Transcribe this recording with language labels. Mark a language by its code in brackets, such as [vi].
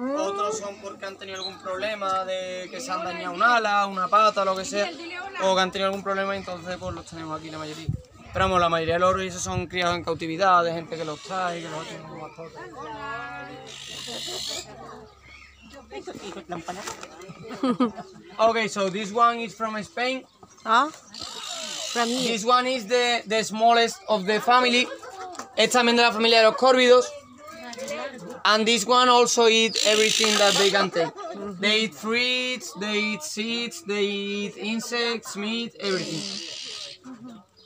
[es] Otros son porque han tenido algún problema de que se han dañado un ala, una pata, lo que sea, o que han tenido algún problema y entonces pues los tenemos aquí la mayoría. Pero vamos, la mayoría de los orbis son criados en cautividad, de gente que los trae y que los tiene como mascotas. [en] Okay, so this one is from Spain. Ah, from here. This one is the smallest of the family. [es] Es también de la familia de los córvidos. [en] And this one also eat everything that they can take. They eat fruits, they eat seeds, they eat insects, meat, everything.